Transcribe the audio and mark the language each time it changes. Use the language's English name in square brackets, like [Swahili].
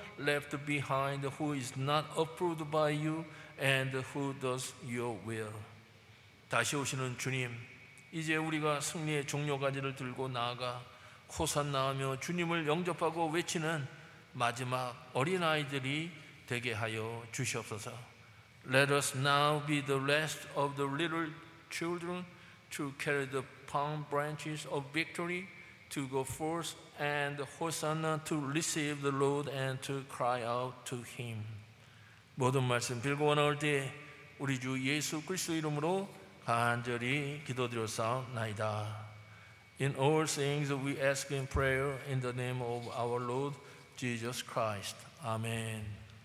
[English] left behind who is not approved by you and who does your will. [Korean] 다시 오시는 주님, 이제 우리가 승리의 종려 가지를 들고 나아가 호산나하며 주님을 영접하고 외치는 마지막 어린아이들이 되게 하여 주시옵소서. [English] Let us now be the last of the little children to carry the palm branches of victory, to go forth and hosanna to receive the Lord and to cry out to him. [Korean] 모든 말씀 빌고 원할 때 우리 주 예수 그리스도 이름으로 간절히 기도드렸사옵나이다. [English] In all things we ask in prayer in the name of our Lord Jesus Christ. Amen.